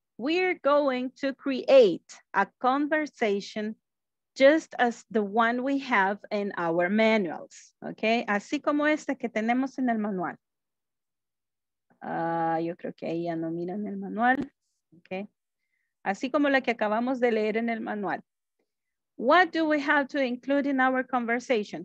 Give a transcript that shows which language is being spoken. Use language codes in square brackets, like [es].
[en] We're going to create a conversation just as the one we have in our manuals. [es] Ok, así como este que tenemos en el manual. Yo creo que ahí ya no miran el manual. Ok. Así como la que acabamos de leer en el manual. [en] What do we have to include in our conversation?